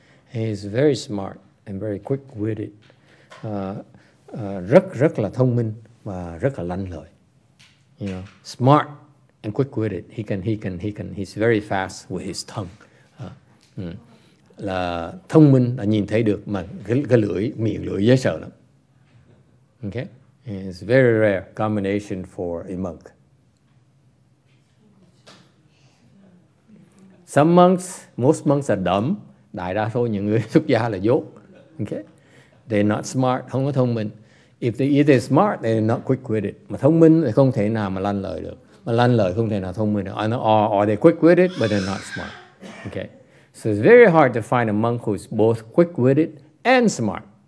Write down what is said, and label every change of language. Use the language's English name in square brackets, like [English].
[English] He is very smart and very quick-witted. [Vietnamese] Rất rất là thông minh và rất là lanh lợi. [English] You know, smart and quick-witted. He can he's very fast with his tongue. [Vietnamese] Là thông minh là nhìn thấy được mà cái lưỡi miệng lưỡi dễ sợ lắm. Okay? [English] It's very rare combination for a monk. Some monks, most monks are dumb. [Vietnamese] Đại đa số những người xuất gia là dốt. [English] Okay? They're not smart, [Vietnamese] không có thông minh. [English] If they either smart, they're not quick-witted. [Vietnamese] Mà thông minh thì không thể nào mà lanh lợi được. Mà lanh lợi không thể nào thông minh được. [English] Or they're quick-witted, but they're not smart. Okay? So it's very hard to find a monk who's both quick-witted and smart.